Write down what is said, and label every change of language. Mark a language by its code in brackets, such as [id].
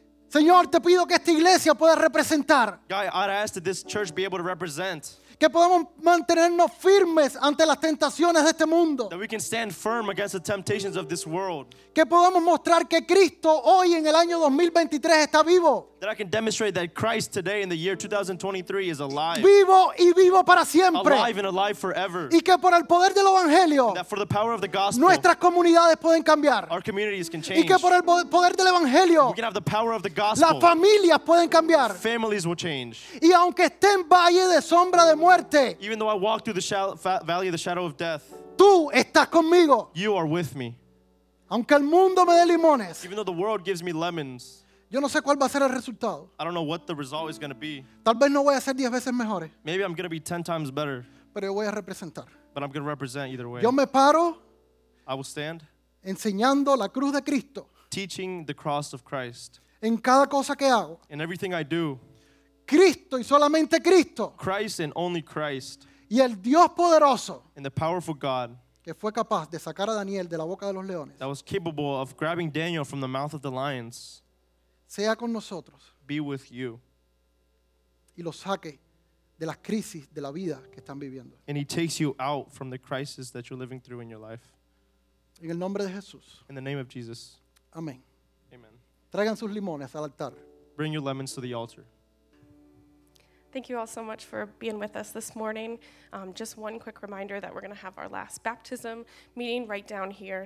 [es] Señor, te pido que esta iglesia pueda representar. [en] God, I'd ask that this church be able to represent. [es] Que podamos mantenernos firmes ante las tentaciones de este mundo. [en] That we can stand firm against the temptations of this world. [es] Que podamos mostrar que Cristo hoy en el año 2023 está vivo. [en] That I can demonstrate that Christ today in the year 2023 is alive. [es] Vivo y vivo para siempre. [en] Alive and alive forever. [es] Y que por el poder del evangelio. [en] And that for the power of the gospel. [es] Nuestras comunidades pueden cambiar. [en] Our communities can change. [es] Y que por el poder del evangelio. [en] We can have the power of the gospel. [es] Las familias pueden cambiar. [en] Families will change. [es] Y aunque esté en valle de sombra de muerte. [en] Even though I walk through the valley of the shadow of death. [es] Tú estás conmigo. [en] You are with me. [es] Aunque el mundo me dé limones. [en] Even though the world gives me lemons. [es] Yo no sé cuál va a ser el resultado. [en] I don't know what the result is going to be. [es] Tal vez no voy a ser 10 veces mejores. [en] Maybe I'm going to be 10 times better. [es] Pero yo voy a representar. [en] But I'm going to represent either way. [es] Yo me paro. [en] I will stand. [es] Enseñando la cruz de Cristo. [en] Teaching the cross of Christ. [es] En cada cosa que hago. [en] In everything I do. [es] Cristo y solamente Cristo. [en] Christ and only Christ. [es] Y el Dios poderoso. [en] And the powerful God. [es] Que fue capaz de sacar a Daniel de la boca de los leones. [en] That was capable of grabbing Daniel from the mouth of the lions. [es] Sea con nosotros. [en] Be with you. [es] Y lo saque de las crisis de la vida que están viviendo. [en] And he takes you out from the crisis that you're living through in your life. [es] En el nombre de Jesús. [en] In the name of Jesus. [es] Amén. [en] Amen. [es] Traigan sus limones al altar. [en] Bring your lemons to the altar. Thank you all so much for being with us this morning. Just one quick reminder that we're going to have our last baptism meeting right down here.